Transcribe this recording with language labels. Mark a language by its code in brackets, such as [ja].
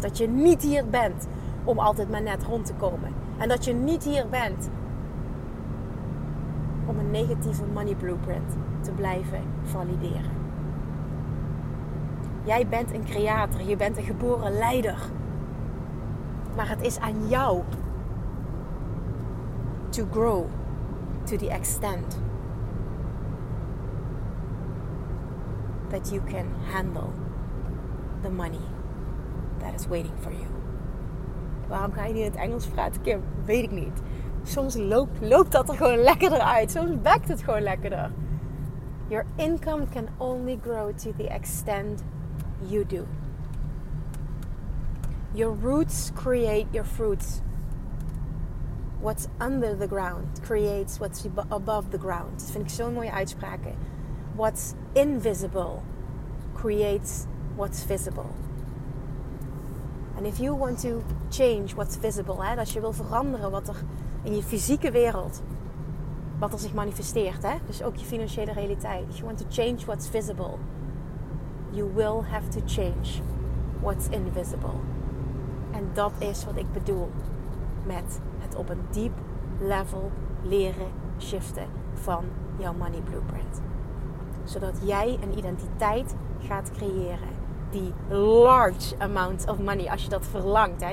[nl] Dat je niet hier bent om altijd maar net rond te komen. En dat je niet hier bent om een negatieve money blueprint te blijven valideren. Jij bent een creator, je bent een geboren leider. Maar het is aan jou [en] to grow to the extent that you can handle the money that is waiting for you. [nl] Waarom ga je niet in het Engels praten, Kim? Weet ik niet. Soms loopt dat er gewoon lekkerder uit. Soms werkt het gewoon lekkerder. [en] Your income can only grow to the extent you do. Your roots create your fruits. What's under the ground creates what's above the ground. [nl] Dat vind ik zo'n mooie uitspraak. [en] What's invisible creates what's visible. And if you want to change what's visible, [nl] hè, als je wil veranderen wat er in je fysieke wereld, wat er zich manifesteert, hè, dus ook je financiële realiteit. [en] If you want to change what's visible, you will have to change what's invisible. [nl] En dat is wat ik bedoel met het op een deep level leren shiften van jouw money blueprint. Zodat jij een identiteit gaat creëren. Die [en] large amount of money, [nl] als je dat verlangt. Hè?